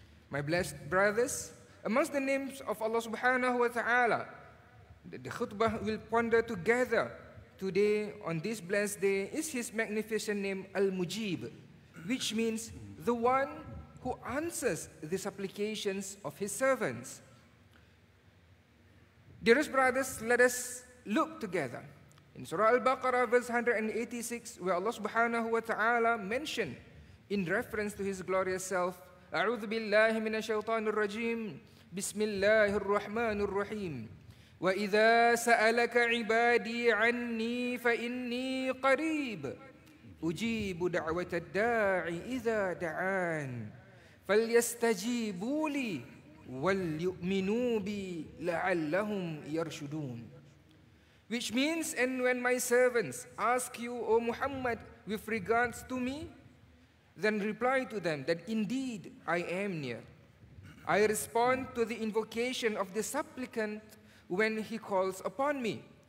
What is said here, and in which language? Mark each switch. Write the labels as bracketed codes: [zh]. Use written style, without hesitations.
[en] My blessed brothers, amongst the names of Allah subhanahu wa ta'ala, the khutbah will ponder together today on this blessed day is his magnificent name Al-Mujib, which means the one who answers the supplications of his servants. Dearest brothers, let us look together. In Surah Al-Baqarah, verse 186, where Allah subhanahu wa ta'ala mentioned in reference to his glorious self, [ar] أعوذ بالله من الشيطان الرجيم بسم الله الرحمن الرحيم وإذا سألك عبادي عني فإني قريب أجيب دعوة الداعي إذا دعان فليستجيبوا لي وليؤمنوا بي لعلهم يرشدون. [en] Which means, and when my servants ask you, O Muhammad, with regards to me, then reply to them that indeed I am near. I respond to the invocation of the supplicant when he calls upon me.